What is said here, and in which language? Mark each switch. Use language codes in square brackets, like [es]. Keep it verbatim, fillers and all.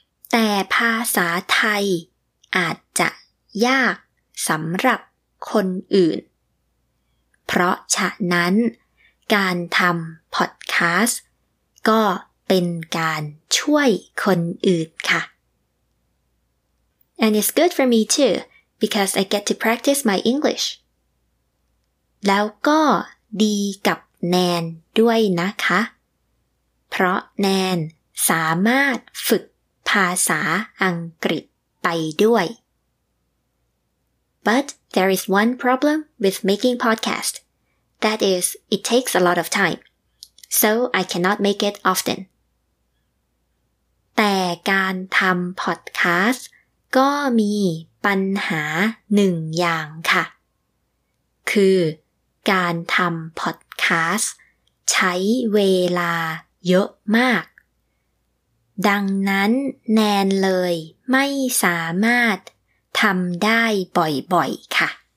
[th] แต่ภาษาไทยอาจจะยากสำหรับคนอื่นเพราะฉะนั้นการทำพอดคาสต์ก็เป็นการช่วยคนอื่นค่ะ [en] And it's good for me too because I get to practice my English [th] แล้วก็ดีกับแนนด้วยนะคะเพราะแนนสามารถฝึกภาษาอังกฤษไปด้วย [en] But there is one problem with making podcast. That is, it takes a lot of time. So I cannot make it often. [th] แต่การทำพอดคาสต์ก็มีปัญหาหนึ่งอย่างค่ะคือการทำพอดคาสต์ใช้เวลาเยอะมากดังนั้นแนนเลยไม่สามารถทำได้บ่อยๆค่ะ